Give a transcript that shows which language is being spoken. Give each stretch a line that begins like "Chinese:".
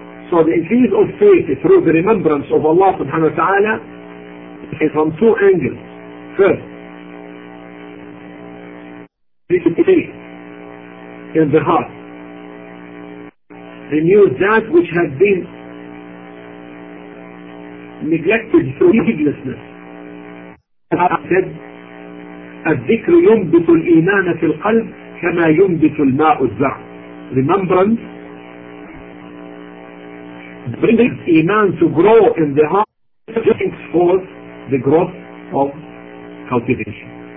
English: So the increase of faith through the remembrance of Allah subhanahu wa ta'ala is from two angles. First, in the heart, renew that which has been neglected through heedlessness. As I said,
Arabic: الذكر ينبت الإيمان في القلب كما ينبت الماء الزرع.
English: Remembrance brings iman to grow in the heart, brings forth the growth of cultivation.